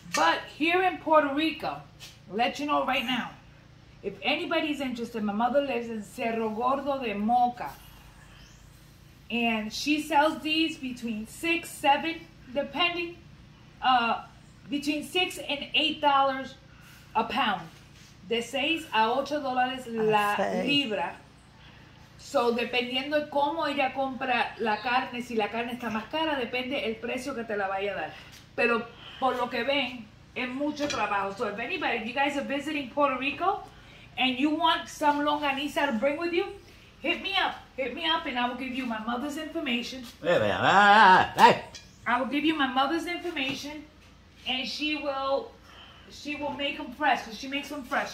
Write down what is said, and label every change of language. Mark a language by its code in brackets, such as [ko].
[en] But here in Puerto Rico, let you know right now, if anybody's interested, my mother lives in Cerro Gordo de Moca. And she sells these between $6 and $8 a pound. [es] De $6 a $8 la libra. So, dependiendo de cómo ella compra la carne, si la carne está más cara, depende el precio que te la vaya a dar. Pero por lo que ven, es mucho trabajo. [en] So, if anybody, you guys are visiting Puerto Rico and you want some longaniza to bring with you, hit me up. Hit me up and I will give you my mother's information. I will give you my mother's information and she will make them fresh because she makes them fresh.